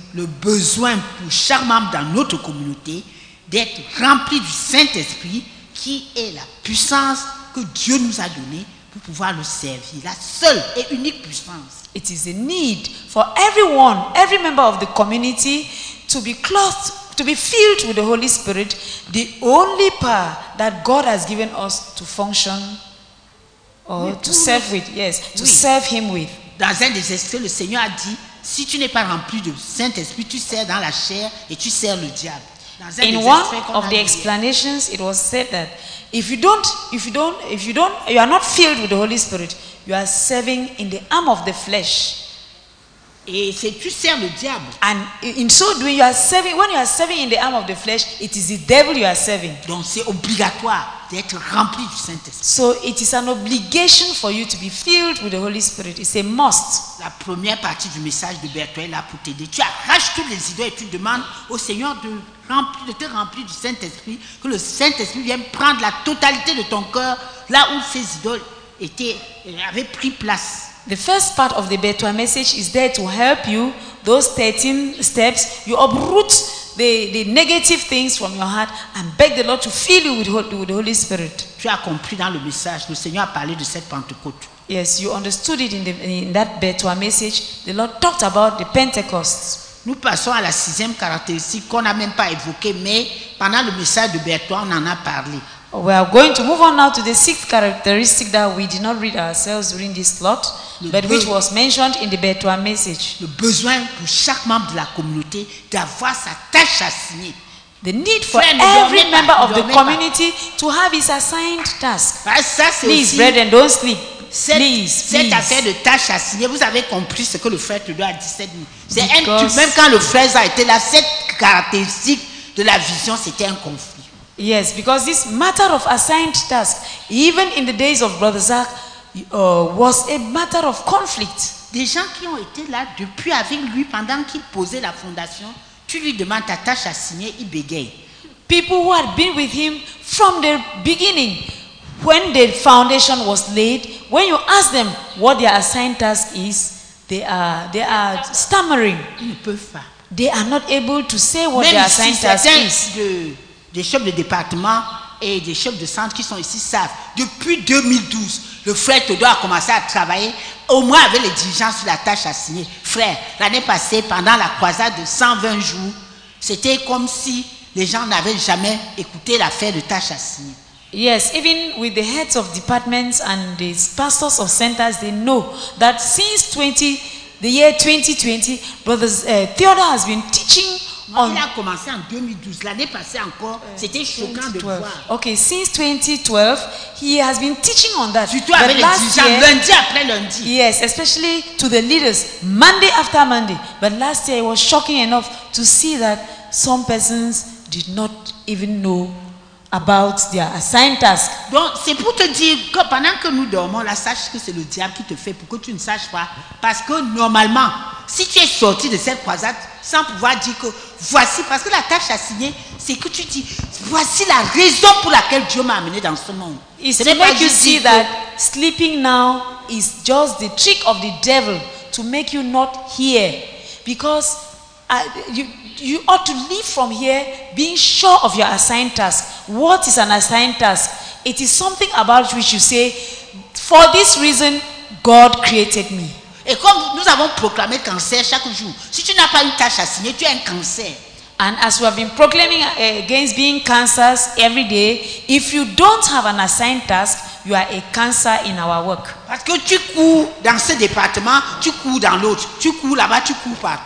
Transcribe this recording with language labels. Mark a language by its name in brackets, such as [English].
[French] Le besoin pour chaque membre dans notre communauté d'être rempli du Saint-Esprit, qui est la puissance que Dieu nous a donnée pour pouvoir le servir. La seule et unique puissance. [English] It is a need for everyone, every member of the community, to be clothed, to be filled with the Holy Spirit, the only power that God has given us to function or oui, to serve oui. with, yes, to oui. serve Him with. [French] Dans un des esprits, le Seigneur a dit, si tu n'es pas rempli du Saint-Esprit, tu sers dans la chair et tu sers le diable. [English] In one of the explanations, it was said that if you don't, you are not filled with the Holy Spirit, you are serving in the arm of the flesh. [French] Et c'est tu sers le diable. [English] And in so doing, you are serving. When you are serving in the arm of the flesh, it is the devil you are serving. [French] Donc c'est obligatoire d'être rempli du Saint-Esprit. [English] So it is an obligation for you to be filled with the Holy Spirit. It's a must. [French] La première partie du message de Berthoud est là pour t'aider. Tu arraches toutes les idées et tu demandes au Seigneur de te remplir du Saint-Esprit, que le Saint-Esprit vienne prendre la totalité de ton cœur là où ces idoles avaient pris place. [English] The first part of the Berthoud message is there to help you, those 13 steps, you uproot the negative things from your heart and beg the Lord to fill you with the Holy Spirit. [French] Tu as compris dans le message, le Seigneur a parlé de cette Pentecôte. [English] Yes, you understood it in that better message. The Lord talked about the Pentecost. [French] Nous passons à la sixième caractéristique qu'on n'a même pas évoquée, mais pendant le message de Bertrand, on en a parlé. [English] We are going to move on now to the sixth characteristic that we did not read ourselves during this slot, but which was mentioned in the Bertrand message. [French] Le besoin pour chaque membre de la communauté d'avoir sa tâche assignée. [English] The need for every member of the community to have his assigned task. Please, brethren, don't sleep. [French] Cette affaire de tâche assignée, vous avez compris ce que le frère Trudeau a dit cette nuit. Même quand le frère a été là, cette caractéristique de la vision, c'était un conflit. [English] Yes, because this matter of assigned task, even in the days of Brother Zach, was a matter of conflict. [French] Des gens qui ont été là depuis avec lui pendant qu'il posait la fondation, tu lui demandes ta tâche assignée, il bégaye. [English] People who had been with him from the beginning. When the foundation was laid, when you ask them what their assigned task is, they are stammering. They are not able to say what [French] même [English] their assigned [French] si [English] task is. [French] Des chefs de département et des chefs de centre qui sont ici savent. Depuis 2012, le frère Todo a commencé à travailler au moins avec les dirigeants sur la tâche assignée. Frère, l'année passée, pendant la croisade de 120 jours, c'était comme si les gens n'avaient jamais écouté l'affaire de tâche assignée. [English] Yes, even with the heads of departments and the pastors of centers, they know that since the year 2020, Brother Theodore has been teaching on. [French] Il a commencé en 2012. L'année passée encore, c'était choquant de voir. [English] Okay, since 2012, he has been teaching on that. [French] Surtout avec les dirigeants, lundi après lundi. [English] Yes, especially to the leaders, Monday after Monday. But last year, it was shocking enough to see that some persons did not even know about their assigned task. [French] Donc, c'est pour te dire que pendant que nous dormons, là, sache que c'est le diable qui te fait pour que tu ne saches pas. Parce que normalement, si tu es sorti de cette croisade sans pouvoir dire que voici, parce que la tâche assignée, c'est que tu dis voici la raison pour laquelle Dieu m'a amené dans ce monde. [English] It's to make you see that sleeping now is just the trick of the devil to make you not hear. Because you ought to leave from here being sure of your assigned task. What is an assigned task? It is something about which you say, for this reason, God created me. [French] Et comme nous avons proclamé cancer chaque jour, si tu n'as pas une tâche assignée, tu es un cancer. [English] And as we have been proclaiming against being cancers every day, if you don't have an assigned task, you are a cancer in our work. [French] Parce que tu cours dans ce département, tu cours dans l'autre, tu cours là-bas, tu cours partout.